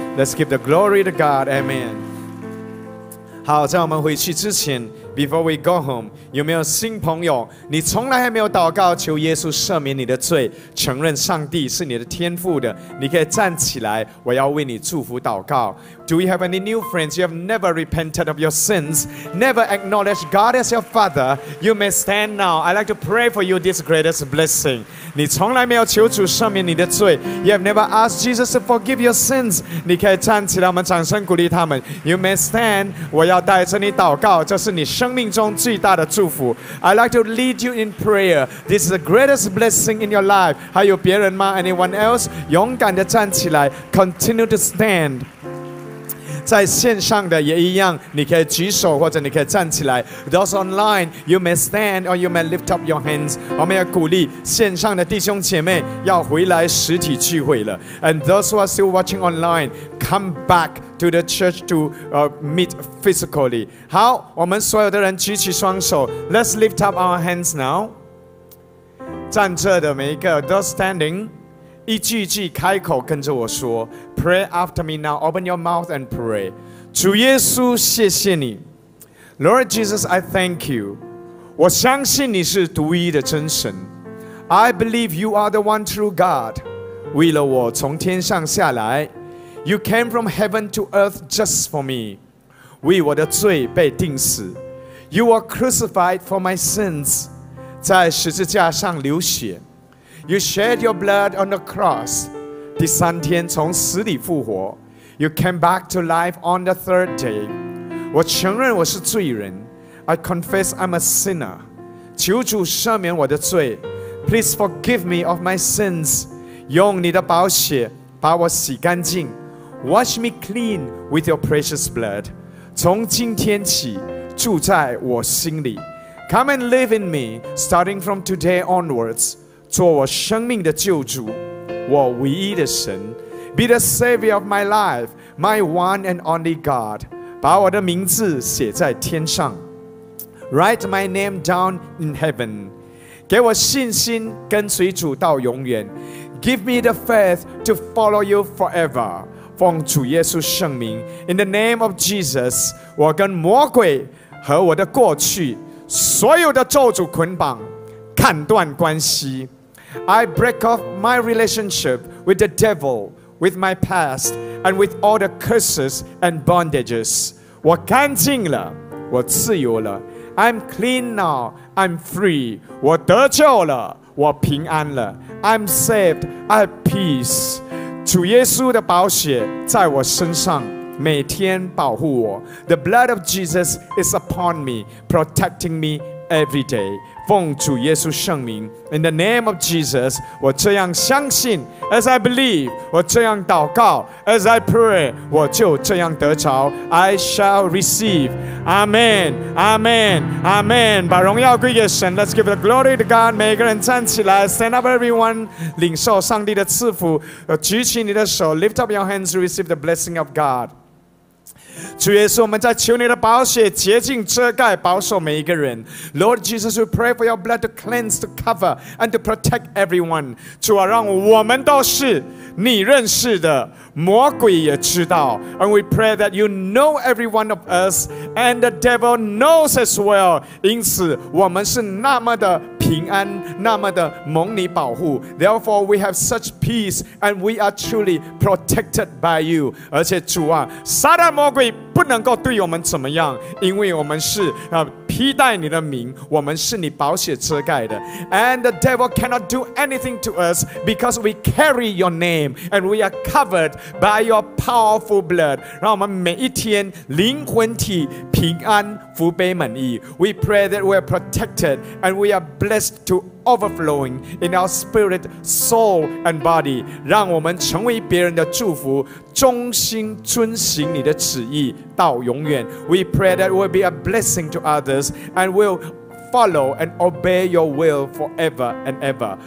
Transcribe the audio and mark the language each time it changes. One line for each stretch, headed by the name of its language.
English: Let's give the glory to God, Amen。
Chinese: 好，在我们回去之前，
English: Before we go home，
Chinese: 有没有新朋友，你从来还没有祷告求耶稣赦免你的罪，承认上帝是你的天父的，你可以站起来，我要为你祝福祷告。
English: Do we have any new friends? You have never repented of your sins, never acknowledged God as your Father. You may stand now. I'd like to pray for you this greatest blessing.
Chinese: 你从来没有求主赦免你的罪，
English: You have never asked Jesus to forgive your sins.
Chinese: 你可以站起来，我们掌声鼓励他们。
English: You may stand.
Chinese: 我要带着你祷告，这是你生命中最大的祝福。
English: I'd like to lead you in prayer. This is the greatest blessing in your life.
Chinese: 还有别人吗？
English: Anyone else?
Chinese: 勇敢地站起来，
English: Continue to stand.
Chinese: 在线上的也一样，你可以举手或者你可以站起来。
English: Those online, you may stand or you may lift up your hands。
Chinese: 我们要鼓励线上的弟兄姐妹要回来实体聚会了。
English: And those who are still watching online, come back to the church to meet physically。
Chinese: 好，我们所有的人举起双手。
English: Let's lift up our hands now。
Chinese: 站着的每一个，
English: those standing，
Chinese: 一句一句开口跟着我说，
English: Pray after me now. Open your mouth and pray.
Chinese: 主耶稣，谢谢你。
English: Lord Jesus, I thank you.
Chinese: 我相信你是独一的真神。
English: I believe you are the one true God.
Chinese: 为了我从天上下来，
English: You came from heaven to earth just for me.
Chinese: 为我的罪被钉死，
English: You were crucified for my sins.
Chinese: 在十字架上流血。
English: You shed your blood on the cross.
Chinese: 第三天从死里复活。
English: You came back to life on the third day.
Chinese: 我承认我是罪人。
English: I confess I'm a sinner.
Chinese: 求主赦免我的罪。
English: Please forgive me of my sins.
Chinese: 用你的宝血把我洗干净。
English: Wash me clean with your precious blood.
Chinese: 从今天起住在我心里。
English: Come and live in me starting from today onwards.
Chinese: 做我生命的救主，我唯一的神。
English: Be the savior of my life, my one and only God.
Chinese: 把我的名字写在天上，
English: Write my name down in heaven.
Chinese: 给我信心跟随主到永远，
English: Give me the faith to follow you forever.
Chinese: 奉主耶稣圣名，
English: In the name of Jesus,
Chinese: 我跟魔鬼和我的过去所有的咒诅捆绑，砍断关系。
English: I break off my relationship with the devil, with my past, and with all the curses and bondages.
Chinese: 我干净了，我自由了。
English: I'm clean now, I'm free.
Chinese: 我得救了，我平安了。
English: I'm saved, I have peace.
Chinese: 主耶稣的宝血在我身上每天保护我。
English: The blood of Jesus is upon me, protecting me every day.
Chinese: 奉主耶稣圣名，
English: In the name of Jesus,
Chinese: 我这样相信，
English: As I believe,
Chinese: 我这样祷告，
English: As I pray,
Chinese: 我就这样得着，
English: I shall receive. Amen, Amen, Amen.
Chinese: 把荣耀归给神，
English: Let's give the glory to God.
Chinese: 每个人站起来，
English: Stand up everyone.
Chinese: 领受上帝的赐福，举起你的手，
English: Lift up your hands to receive the blessing of God.
Chinese: 主耶稣，我们在求你的宝血洁净遮盖保守每一个人。
English: Lord Jesus, we pray for your blood to cleanse, to cover, and to protect everyone.
Chinese: 主啊，让我们都是你认识的，魔鬼也知道。
English: And we pray that you know every one of us, and the devil knows as well.
Chinese: 因此我们是那么的平安，那么的蒙你保护。
English: Therefore we have such peace, and we are truly protected by you.
Chinese: 而且主啊，撒旦魔鬼不能够对我们怎么样，因为我们是披戴你的名，我们是你宝血遮盖的。
English: And the devil cannot do anything to us, because we carry your name, and we are covered by your powerful blood.
Chinese: 让我们每一天灵魂体平安，福杯满溢。
English: We pray that we are protected, and we are blessed to overflowing in our spirit, soul, and body.
Chinese: 让我们成为别人的祝福，忠心遵行你的旨意到永远。
English: We pray that we'll be a blessing to others, and we'll follow and obey your will forever and ever.